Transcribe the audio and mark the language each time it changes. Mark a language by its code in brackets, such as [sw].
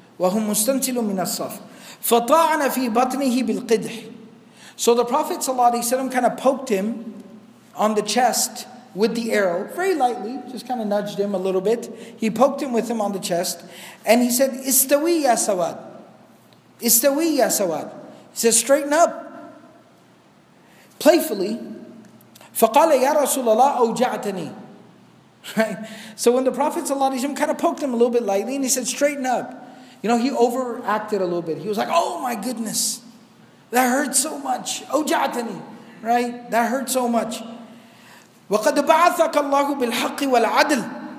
[ar] وَهُمْ مُسْتَنْتِلُ مِنَ الصَّفْ فَطَاعَنَ فِي بَطْنِهِ بِالْقِدْحِ. [en] So the Prophet ﷺ kind of poked him on the chest with the arrow. Very lightly, just kind of nudged him a little bit. He poked him with him on the chest. And he said, [ar] إِسْتَوِي يَا سَوَاد. إِسْتَوِي يَا سَوَاد. [en] He says, straighten up. Playfully, [ar] فَقَالَ يَا رَسُولَ اللَّهِ أَوْجَعْتَنِي. [en] So when the Prophet ﷺ kind of poked him a little bit lightly and he said, straighten up. You know, he overacted a little bit. He was like, oh my goodness, that hurts so much. [ar] أَوْجَعْتَنِي. [en] Right? That hurts so much. [ar] وَقَدْ بَعَثَكَ اللَّهُ بِالْحَقِّ وَالْعَدْلِ.